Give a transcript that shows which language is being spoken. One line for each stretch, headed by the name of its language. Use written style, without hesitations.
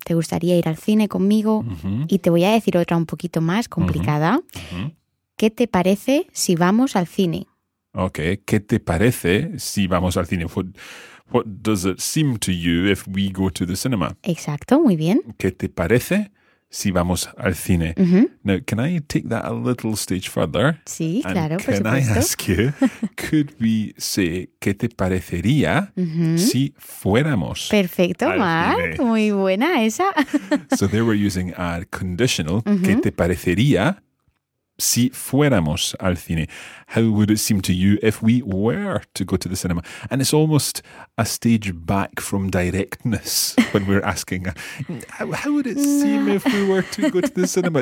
Spanish: Te gustaría ir al cine conmigo. Y te voy a decir otra un poquito más complicada. ¿Qué te parece si vamos al cine? Okay, ¿qué te parece si vamos al cine?
English: What does it seem to you if we go to the cinema?
Spanish: Exacto, muy bien. ¿Qué te parece si vamos al cine?
English: Now, can I take that a little stage further?
Spanish: Sí, claro, por supuesto.
English: Can I ask you, could we say,
Spanish: ¿qué te parecería si fuéramos? Perfecto, Mark, muy buena esa.
English: So there we're using a conditional,
Spanish: ¿qué te parecería? Si fuéramos al cine,
English: how would it seem to you if we were to go to the cinema? And it's almost a stage back from directness when we're asking, how would it seem if we were to go to the cinema?